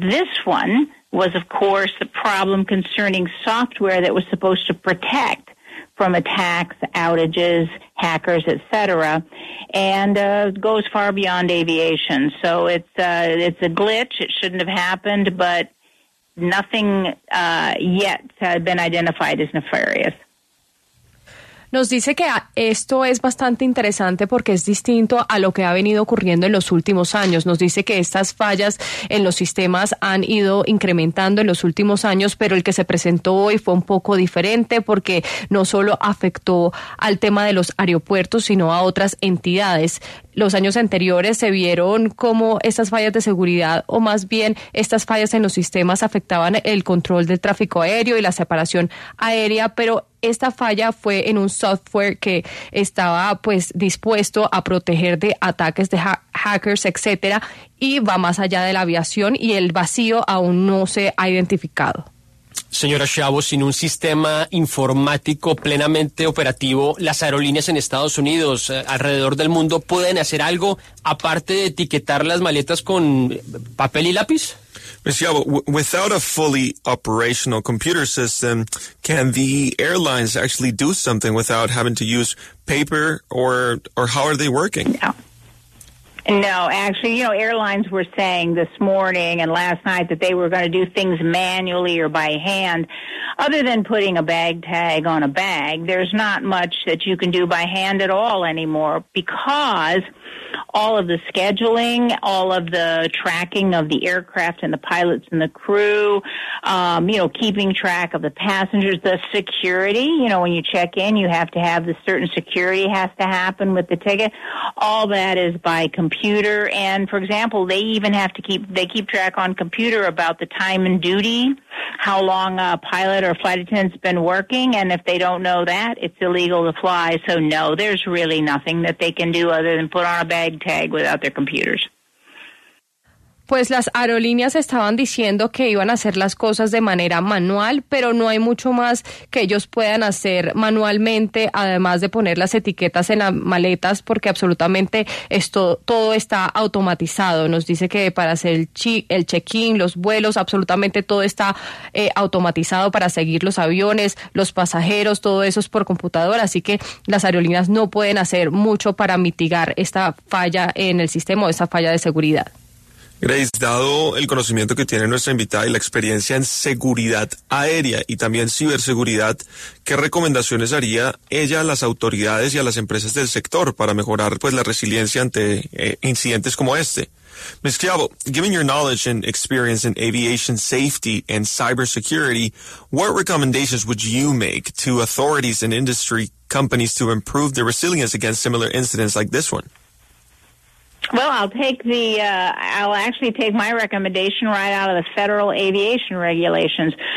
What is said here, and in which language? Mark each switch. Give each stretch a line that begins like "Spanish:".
English: This one was, of course, the problem concerning software that was supposed to protect from attacks, outages, hackers, et cetera, and goes far beyond aviation. So it's a glitch. It shouldn't have happened, but nothing yet has been identified as nefarious.
Spanish: Nos dice que esto es bastante interesante porque es distinto a lo que ha venido ocurriendo en los últimos años. Nos dice que estas fallas en los sistemas han ido incrementando en los últimos años, pero el que se presentó hoy fue un poco diferente porque no solo afectó al tema de los aeropuertos, sino a otras entidades. Los años anteriores se vieron cómo estas fallas de seguridad o más bien estas fallas en los sistemas afectaban el control del tráfico aéreo y la separación aérea, pero esta falla fue en un software que estaba pues dispuesto a proteger de ataques de hackers, etcétera, y va más allá de la aviación y el vacío aún no se ha identificado. Señora Schiavo, sin un sistema informático plenamente operativo, las aerolíneas en Estados Unidos, alrededor del mundo, ¿pueden hacer algo aparte de etiquetar las maletas con papel y lápiz?
English: Ms. Schiavo, without a fully operational computer system, can the airlines actually do something without having to use paper or how are they working? No, actually, you know, airlines were saying this morning and last night that they were going to do things manually or by hand. Other than putting a bag tag on a bag, there's not much that you can do by hand at all anymore because all of the scheduling, all of the tracking of the aircraft and the pilots and the crew, you know, keeping track of the passengers, the security, you know, when you check in, you have to have the certain security has to happen with the ticket. All that is by computer. And, for example, they even have to keep track on computer about the time and duty, how long a pilot or flight attendant's been working. And if they don't know that, it's illegal to fly. So, no, there's really nothing that they can do other than put on a bag tag without their computers.
Spanish: Pues las aerolíneas estaban diciendo que iban a hacer las cosas de manera manual, pero no hay mucho más que ellos puedan hacer manualmente, además de poner las etiquetas en las maletas, porque absolutamente esto todo está automatizado. Nos dice que para hacer el check-in, los vuelos, absolutamente todo está automatizado para seguir los aviones, los pasajeros, todo eso es por computadora, así que las aerolíneas no pueden hacer mucho para mitigar esta falla en el sistema o esta falla de seguridad. Grace, dado el conocimiento que tiene nuestra invitada y la experiencia en seguridad aérea y también ciberseguridad, ¿qué recomendaciones haría ella a las autoridades y a las empresas del sector para mejorar pues la resiliencia ante incidentes como este?
English: Ms. Schiavo, given your knowledge and experience in aviation safety and cybersecurity, what recommendations would you make to authorities and industry companies to improve their resilience against similar incidents like this one? Well, I'll take the I'll actually take my recommendation right out of the federal aviation regulations.